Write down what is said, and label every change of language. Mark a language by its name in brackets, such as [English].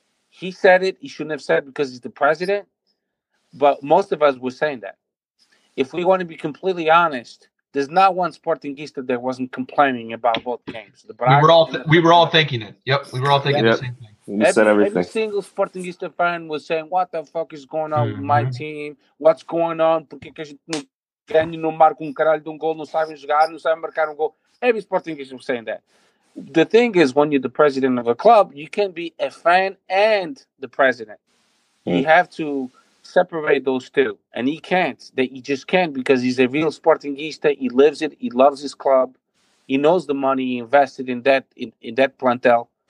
[English] He said it. He shouldn't have said it because he's the president. But most of us were saying that. If we want to be completely honest, there's not one Sportingista that wasn't complaining about both games. We were all thinking it. Yep, we were all thinking the same thing. Every single Sportingista fan was saying, "What the fuck is going on with my team? What's going on? [Portuguese] Por que a gente não marca caralho de gol? Não sabe jogar? Não sabe marcar gol?" [English] Every Sportingista was saying that. The thing is, when you're the president of a club, you can be a fan and the president. You have to separate those two. And he can't. He just can't, because he's a real Sportingista. He lives it. He loves his club. He knows the money he invested in that in that plantel.